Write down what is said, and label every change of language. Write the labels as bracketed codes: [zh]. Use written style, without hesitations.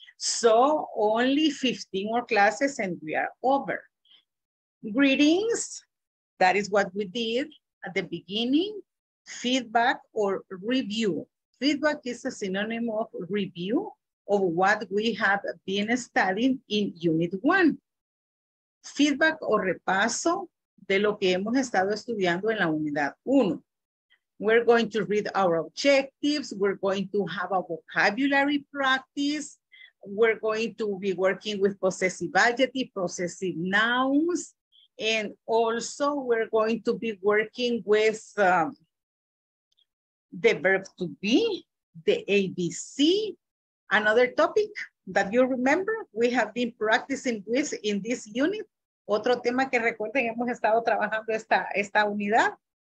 [en] So only 15 more classes and we are over. Greetings. That is what we did at the beginning. Feedback or review. Feedback is a synonym of review of what we have been studying in Unit 1. [es] Feedback o repaso de lo que hemos estado estudiando en la Unidad 1. [en] We're going to read our objectives. We're going to have a vocabulary practice. We're going to be working with possessive adjective, possessive nouns. And also we're going to be working with the verb to be, the ABC, another topic that you remember we have been practicing with in this unit. [es] Otro tema que recuerden hemos estado trabajando esta unidad.